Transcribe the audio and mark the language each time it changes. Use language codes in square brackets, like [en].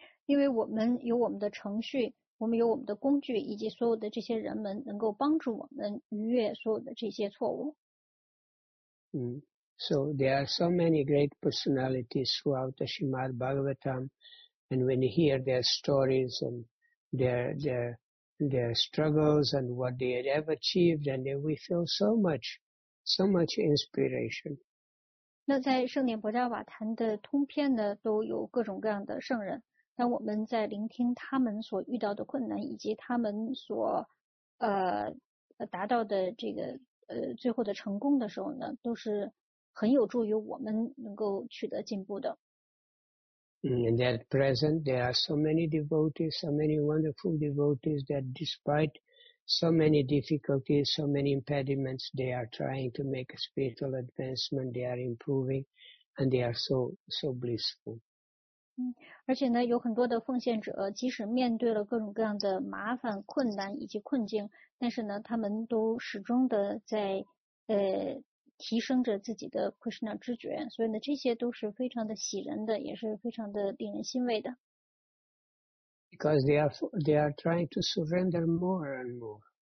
[zh] 因为我们有我们的程序，我们有我们的工具，以及所有的这些人们能够帮助我们逾越所有的这些错误。 [en] So there are so many great personalities throughout the Srimad Bhagavatam, and when you hear their stories and their struggles and what they had ever achieved, and we feel so much inspiration. [zh] 那在圣典博迦瓦坛的通篇呢，都有各种各样的圣人。当我们在聆听他们所遇到的困难，以及他们所达到的这个最后的成功的时候呢，都是很有助于我们能够取得进步的。 [en] And at present, there are so many devotees, so many wonderful devotees that despite so many difficulties, so many impediments, they are trying to make a spiritual advancement, they are improving, and they are so blissful. [zh] 而且呢，有很多的奉献者，即使面对了各种各样的麻烦、困难以及困境，但是呢，他们都始终的在提升着自己的 Krishna 知觉，所以呢，这些都是非常的喜人的，也是非常的令人欣慰的。 [en] Because they are trying to surrender more and more.